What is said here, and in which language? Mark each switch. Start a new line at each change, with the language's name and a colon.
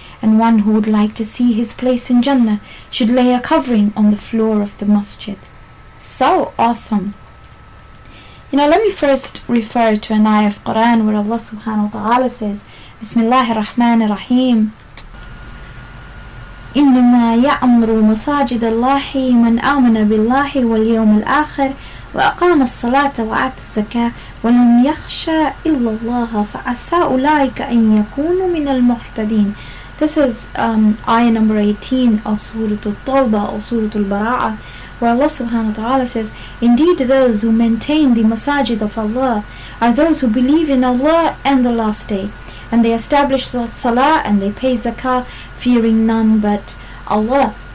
English: And one who would like to see his place in Jannah should lay a covering on the floor of the masjid. So awesome. You know, let me first refer to an ayah of Quran where Allah subhanahu wa ta'ala says, Bismillahir Rahmanir Rahim.
Arabic: إنما يأمر مساجد الله من آمن بالله واليوم الآخر وأقام الصلاة وآتى الزكاة ولم يخشى إلا الله فعسى أولئك أن يكونوا من المهتدين.
English: This is ayah number 18 of Surah Al-Tawbah or Surah Al-Bara'ah, where Allah subhanahu wa ta'ala says, indeed those who maintain the masajid of Allah are those who believe in Allah and the last day, and they establish the salah and they pay zakah, fearing none but Allah.